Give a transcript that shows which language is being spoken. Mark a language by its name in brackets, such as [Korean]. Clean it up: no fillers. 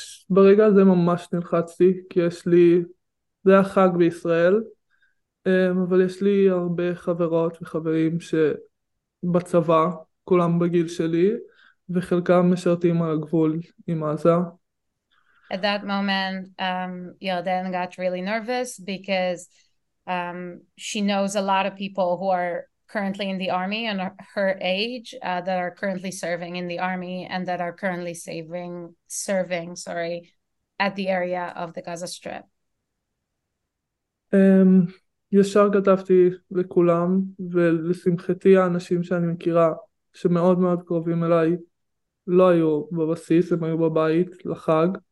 [Hebrew] ברגע הזה ממש נלחצתי, כי יש לי, זה היה חג בישראל, אבל יש לי הרבה חברות וחברים שבצבא, כולם בגיל שלי, וחלקם משרתים על הגבול עם עזה. [English] At that moment, Yarden got really nervous because she knows a lot of people who are currently in the army and her age that are currently serving in the army and that are currently serving at the area of the Gaza Strip. [Hebrew] ישר כתבתי לכולם, ולשמחתי האנשים שאני מכירה, שמאוד מאוד קרובים אליי, לא היו בבסיס, הם היו בבית לחג.